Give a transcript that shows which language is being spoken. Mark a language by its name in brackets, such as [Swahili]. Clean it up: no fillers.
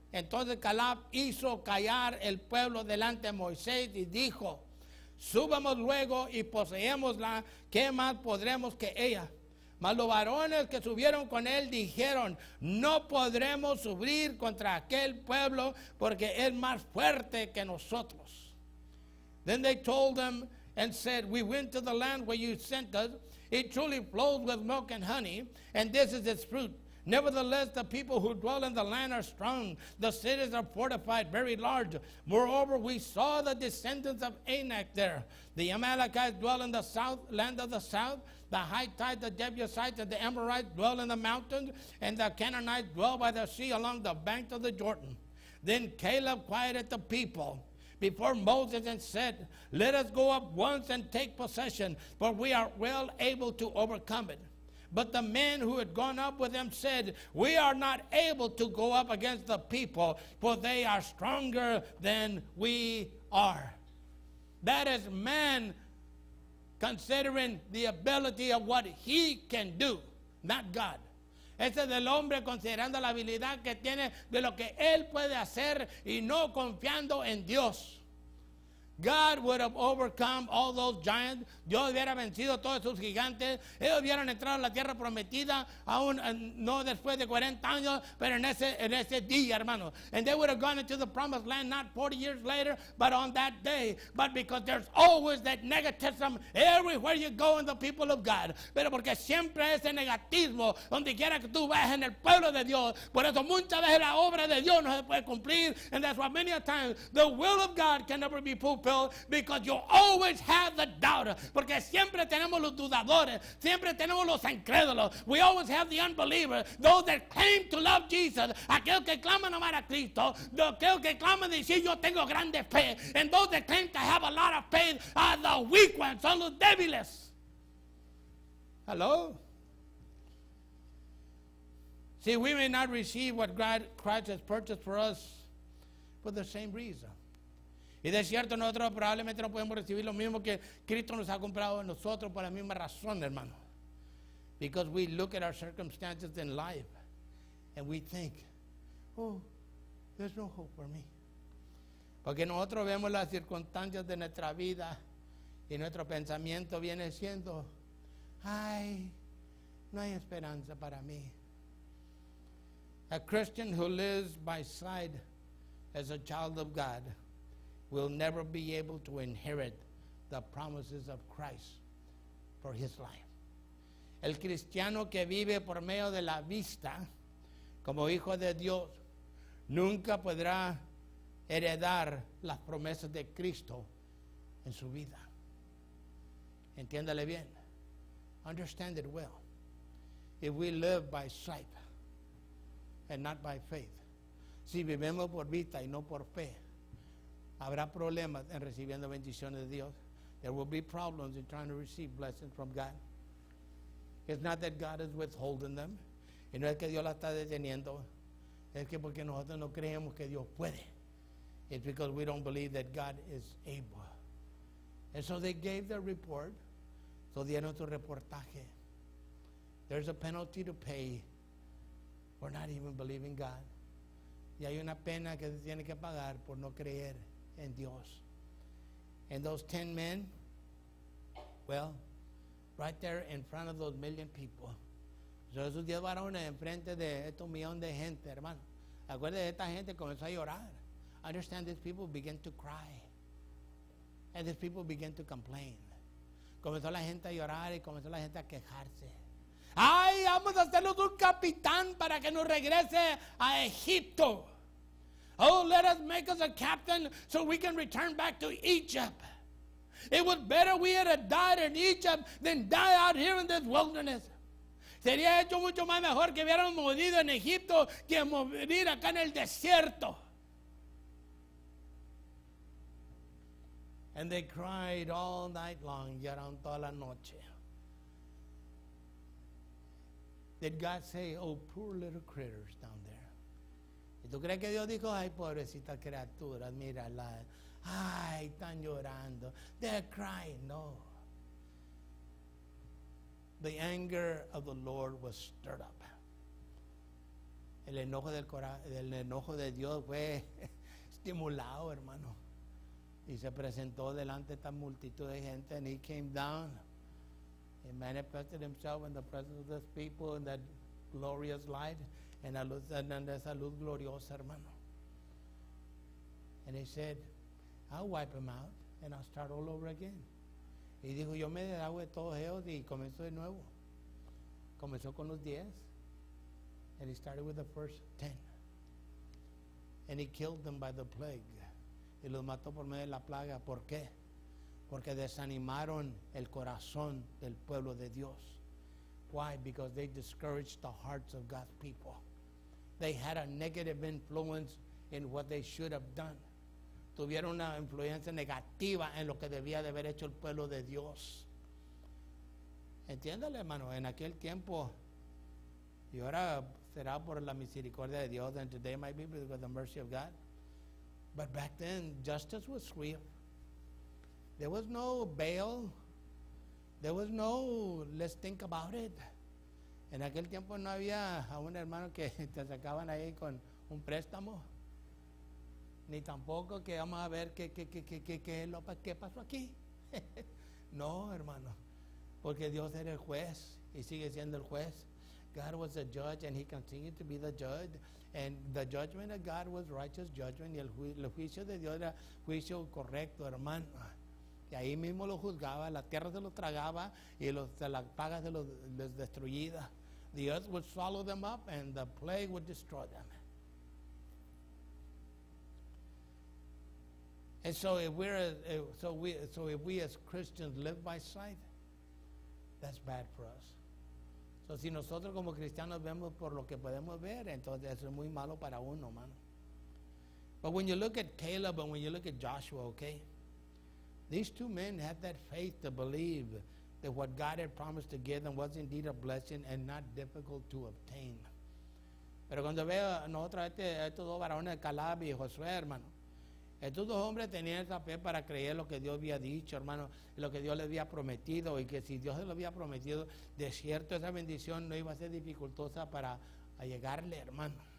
[Spanish] Entonces Caleb hizo callar el pueblo delante de Moisés y dijo, subamos luego y poseémosla, ¿qué más podremos que ella? Mas los varones que subieron con él dijeron, no podremos subir contra aquel pueblo porque es más fuerte que nosotros. [English] Then they told them and said, we went to the land where you sent us. It truly flows with milk and honey, and this is its fruit. Nevertheless, the people who dwell in the land are strong. The cities are fortified, very large. Moreover, we saw the descendants of Anak there. The Amalekites dwell in the south, land of the south. The Hittites, the Jebusites, and the Amorites dwell in the mountains, and the Canaanites dwell by the sea along the banks of the Jordan. Then Caleb quieted the people before Moses and said, let us go up once and take possession, for we are well able to overcome it. But the men who had gone up with them said, we are not able to go up against the people, for they are stronger than we are. That is man considering the ability of what he can do, not God. [Spanish] Ese es el hombre considerando la habilidad que tiene de lo que él puede hacer y no confiando en Dios. [English] God would have overcome all those giants. [Spanish] Dios hubiera vencido todos esos gigantes. Ellos hubieran entrado a la tierra prometida, aún no después de 40 años, pero en ese día, hermano. [English] And they would have gone into the promised land not 40 years later, but on that day. But because there's always that negativism everywhere you go in the people of God. [Spanish] Pero porque siempre ese negativismo, donde quiera que tú vayas en el pueblo de Dios. Por eso muchas veces la obra de Dios no se puede cumplir. [English] And that's why many a time the will of God can never be fulfilled. Because you always have the doubter. [Spanish] Porque siempre tenemos los dudadores. Siempre tenemos los incrédulos. [English] We always have the unbelievers. Those that claim to love Jesus. [Spanish] Aquellos que claman amar a Cristo. Aquellos que claman decir yo tengo grande fe. [English] And those that claim to have a lot of faith are the weak ones. [Spanish] Son los débiles. [English] Hello? See, we may not receive what Christ has purchased for us for the same reason. [Spanish] Y de cierto, nosotros probablemente no podemos recibir lo mismo que Cristo nos ha comprado a nosotros por la misma razón, hermano. [English] Because we look at our circumstances in life and we think, oh, there's no hope for me. [Spanish] Porque nosotros vemos las circunstancias de nuestra vida y nuestro pensamiento viene siendo, ay, no hay esperanza para mí. [English] A Christian who lives by sight as a child of God will never be able to inherit the promises of Christ for his life. [Spanish] El cristiano que vive por medio de la vista, como hijo de Dios, nunca podrá heredar las promesas de Cristo en su vida. Entiéndale bien. [English] Understand it well. If we live by sight and not by faith, [Spanish] si vivimos por vista y no por fe, habrá problemas en recibiendo bendiciones de Dios. [English] There will be problems in trying to receive blessings from God. It's not that God is withholding them. [Spanish] Y no es que Dios la está deteniendo. Es que porque nosotros no creemos que Dios puede. [English] It's because we don't believe that God is able. And so they gave their report. So [Spanish] dieron su reportaje. [English] There's a penalty to pay for not even believing God. [Spanish] Y hay una pena que se tiene que pagar por no creer. [English] And Dios. And those 10 men, well, right there in front of those million people. [Spanish] Esos 10 varones enfrente de estos millones de gente, hermano. Acuérdense, esta gente comenzó a llorar. [English] Understand, these people began to cry. And these people began to complain. [Spanish] Comenzó la gente a llorar y comenzó la gente a quejarse. ¡Ay, vamos a hacernos un capitán para que nos regrese a Egipto! [English] Oh, let us make us a captain so we can return back to Egypt. It was better we had died in Egypt than die out here in this wilderness. [Spanish] Sería hecho mucho más mejor que hubiéramos morido en Egipto que morir acá en el desierto. [English] And they cried all night long, [Spanish] lloraron toda la noche. [English] Did God say, oh, poor little critters down there? [Spanish] ¿Y tú crees que Dios dijo, ay, pobrecita criatura, mírala, ay, están llorando, [English] they're crying? No. The anger of the Lord was stirred up. [Spanish] El enojo del enojo de Dios fue estimulado, hermano. Y se presentó delante de esta multitud de gente, [English] and he came down and manifested himself in the presence of this people in that glorious light, [Spanish] en la luz, en esa luz gloriosa, hermano. [English] And he said, I'll wipe him out and I'll start all over again. [Spanish] Y dijo, yo me deshago de todos ellos y comenzó de nuevo. Comenzó con los 10. [English] And he started with the first 10. And he killed them by the plague. [Spanish] Y los mató por medio de la plaga. ¿Por qué? Porque desanimaron el corazón del pueblo de Dios. [English] Why? Because they discouraged the hearts of God's people. They had a negative influence in what they should have done. [Spanish] Tuvieron una influencia negativa en lo que debía de haber hecho el pueblo de Dios. Entiéndale, hermano, en aquel tiempo, y ahora será por la misericordia de Dios, [English] and today might be because of the mercy of God. But back then, justice was real. There was no bail. There was no, let's think about it. [Spanish] En aquel tiempo no había a un hermano que te sacaban ahí con un préstamo. Ni tampoco que vamos a ver qué pasó aquí. No, hermano. Porque Dios era el juez y sigue siendo el juez. [English] God was the judge and he continued to be the judge. And the judgment of God was righteous judgment. [Spanish] Y el juicio de Dios era juicio correcto, hermano. Y ahí mismo lo juzgaba, la tierra se lo tragaba y la paga se lo destruía. [English] The earth would swallow them up and the plague would destroy them. And so if we as Christians live by sight, that's bad for us. [Spanish] So si nosotros como cristianos vemos por lo que podemos ver, entonces eso es muy malo para uno, mano. [English] But when you look at Caleb and when you look at Joshua, okay, these two men had that faith to believe that what God had promised to give them was indeed a blessing and not difficult to obtain. [Spanish] Pero cuando veo nosotros estos dos varones, Caleb y Josué, hermano, estos dos hombres tenían esa fe para creer lo que Dios había dicho, hermano, lo que Dios les había prometido, y que si Dios se lo había prometido, de cierto esa bendición no iba a ser dificultosa para llegarle, hermano.